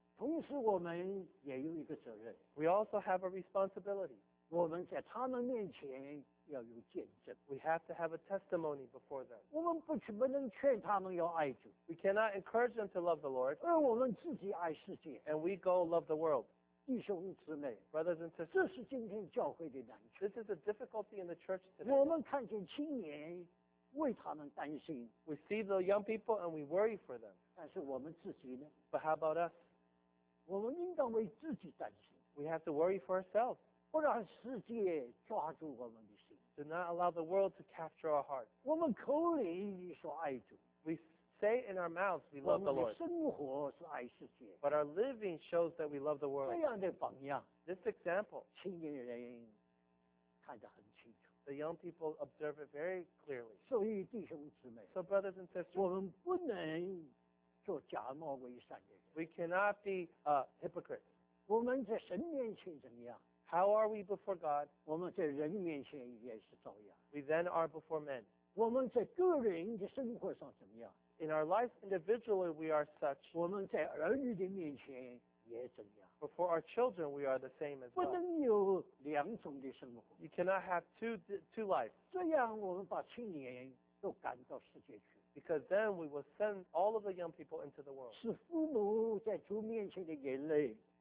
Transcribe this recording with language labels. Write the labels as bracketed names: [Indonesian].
[Chinese] 同时我们也有一个责任。 [English] We also have a responsibility. [Chinese] 我们在他们面前要有见证。 [English] We have to have a testimony before them. [Chinese] 我们不能劝他们要爱主。 [English] We cannot encourage them to love the Lord. [Chinese] 而我们自己爱世界。 [English] And we go love the world. [Chinese] 弟兄姊妹, [English] brothers and sisters, [Chinese] 这是今天教会的难处。 [English] This is a difficulty in the church today. [Chinese] 我们看见青年为他们担心。 [English] We see the young people and we worry for them. [Chinese] 但是我们自己呢? [English] But how about us? [Chinese] 我们应当为自己担心。 [English] We have to worry for ourselves. [Chinese] 不让世界抓住我们的心。 [English] Do not allow the world to capture our hearts. [Chinese] 我们口里说爱主。 [English] We say in our mouths we love the Lord. [Chinese] 我们的生活是爱世界。 [English] But our living shows that we love the world. [Chinese] 这样的榜样。 [English] This example. [Chinese] 青年人看得很清楚。 [English] The young people observe it very clearly. [Chinese] 所以弟兄姊妹。 [English] So brothers and sisters. [Chinese] 我们不能做假冒伪善的人。 [English] We cannot be hypocrites. [Chinese] 我们在神面前怎么样？ [English] How are we before God? [Chinese] 我们在人面前也是照样。 [English] We then are before men. [Chinese] 我们在个人的生活上怎么样？ [English] In our life individually we are such. [Chinese] 我们在儿女的面前也怎样？ [English] Before our children we are the same as well. [Chinese] 不能有两种的生活。 [English] You cannot have two lives. [Chinese] 这样我们把青年都赶到世界去。 [English] Because then we will send all of the young people into the world. [Chinese] 是父母在主面前的眼泪。